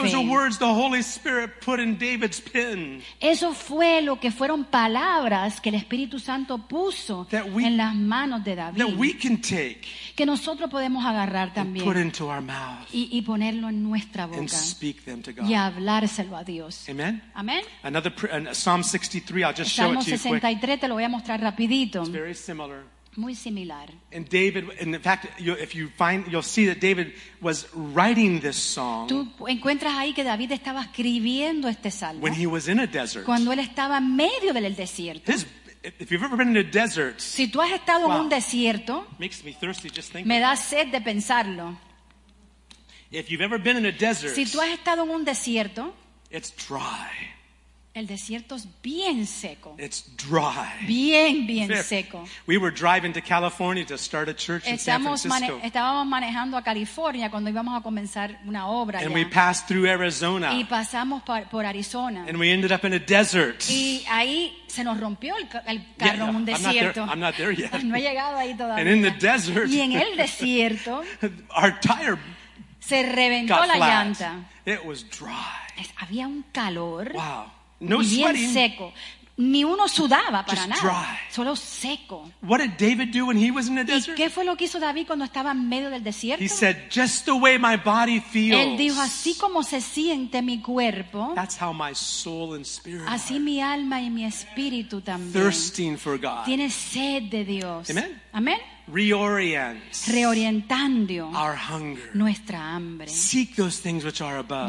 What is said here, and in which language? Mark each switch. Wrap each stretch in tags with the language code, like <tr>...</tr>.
<en>Those are words the Holy Spirit put in David's pen.</en> <es>Eso fue lo que fueron palabras que el Espíritu Santo puso en las manos de David.</es> <en>That we can take.</en> <es>Que nosotros podemos agarrar también.</es> <en>Put into our mouth.</en> <es>Y ponerlo en nuestra boca.</es> <en>And speak them to God.</en> <es>Y hablárselo a Dios.</es> <en>Amen.</en> <es>Amen.</es> <en>Another Psalm 63. I'll just show it to you quick.</en> <es>Salmo 63. Te lo voy a mostrar rapidito.</es> <en>It's very similar.</en> <es>Muy similar.</es> <en>And David, and in fact, if you find, you'll see that David was writing this song.</en> <es>Tú encuentras ahí que David estaba escribiendo este salmo.</es> <en>When he was in a desert.</en> <es>Cuando él estaba en medio del desierto.</es> <en>If you've ever been in a desert.</en> <es>Si tú has estado en un desierto.</es> <en>Makes me thirsty just thinking.</en> <es>Me da sed de pensarlo.</es> <en>If you've ever been in a desert.</en> <es>Si tú has estado en un desierto.</es> <en>It's dry.</en> <es>El desierto es bien seco.</es> <en>It's dry.</en> <es>Bien, bien seco.</es> <en>We were driving to California to start a church</en> <es>Estábamos manejando a California cuando íbamos a comenzar una obra.</es> <en>And we passed through Arizona.</en> <es>Y pasamos por Arizona.</es> <en>And we ended up in a desert.</en> <es>Y ahí se nos rompió el carro en un desierto.</es> <en>I'm not there yet.</en> <es>No he llegado ahí todavía.</es> <en>And in the desert.</en> <es>Y en el desierto.</es> <en>Our tire</en> <es>se reventó</es> <en>got</en> <es>la llanta.</es> <en>It was dry.</en> <es>Había un calor.</es> <en>Wow. No</en> <es>bien</es> <en>sweating.</en> <es>Seco. Ni uno sudaba para</es> <en>just Dry.</en> <es>Solo seco.</es> <en>What did David do when he was in the desert?</en> <es>¿Y qué fue lo que hizo David cuando estaba en medio del desierto?</es> <en>He said, "Just the way my body feels."</en> <es>Él dijo, así como se siente mi cuerpo.</es> <en>That's how my soul and spirit.</en> <es>Así</es> <en>are.</en> <es>Mi alma y mi espíritu también.</es> <en>Thirsting for God.</en> <es>Tiene sed de Dios.</es> <en>Amen.</en> <es>Amen.</es> <en>Reorient.</en> <es>Reorientando.</es> <en>Our hunger.</en> <es>Nuestra hambre.</es> <en>Seek those things which are above.</en>